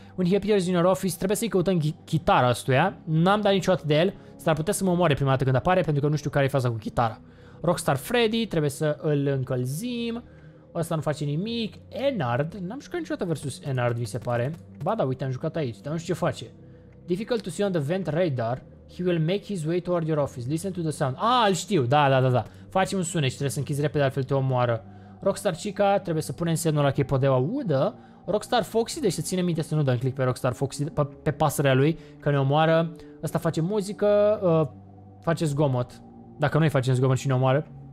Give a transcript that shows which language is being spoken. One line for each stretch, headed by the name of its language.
Romanian: Un Happier's Junior Office, trebuie să-i căutăm chitara astuia. N-am dat niciodată de el, s-ar putea să mă omoare prima dată când apare, pentru că nu știu care e faza cu chitara. Rockstar Freddy, trebuie să îl încălzim. Ăsta nu face nimic. Enard, n-am jucat niciodată versus Enard, mi se pare. Ba da, uite, am jucat aici, dar nu știu ce face.
English: Difficult to see on the vent radar. He will make his way toward your office. Listen to the sound.
Romanian: Ah, îl știu. Da, da, da, da. Face un sunet și trebuie să închizi repede, altfel te omoară. Rockstar Chica trebuie să pune semnul la chipul de audă. Rockstar Foxy, deci să ține minte să nu dăm click pe Rockstar Foxy, pe pasărea lui, că ne omoară. Ăsta face muzică, face zgomot. Dacă noi facem zgomot și ne omoară.